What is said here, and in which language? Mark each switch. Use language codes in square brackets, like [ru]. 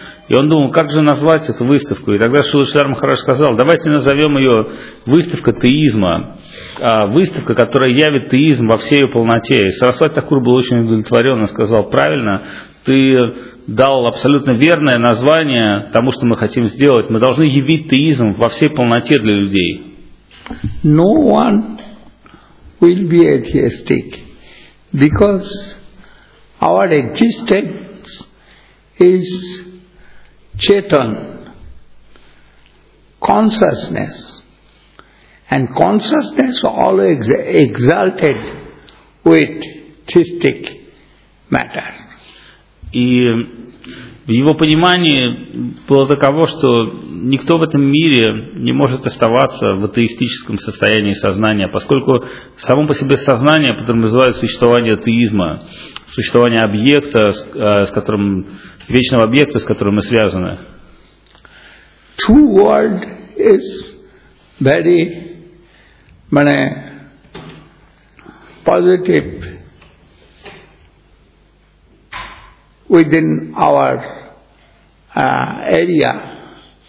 [ru] И он думал, как же назвать эту выставку. И тогда Шрила Шридхар Махарадж сказал, давайте назовем ее выставка теизма, выставка, которая явит теизм во всей ее полноте. И Сарасвати Такур был очень удовлетворен, он сказал, правильно, ты дал абсолютно верное название тому, что мы хотим сделать. Мы должны явить теизм во всей полноте для людей. [en] No one will be atheistic, because our existence is Chetan, consciousness. And consciousness always exalted with theistic matter. [ru] И в его понимании было таково, что никто в этом мире не может оставаться в атеистическом состоянии сознания, поскольку само по себе сознание подразумевает существование атеизма, существование объекта, с которым, вечного объекта, с которым мы связаны. [en] True world is very positive within our area.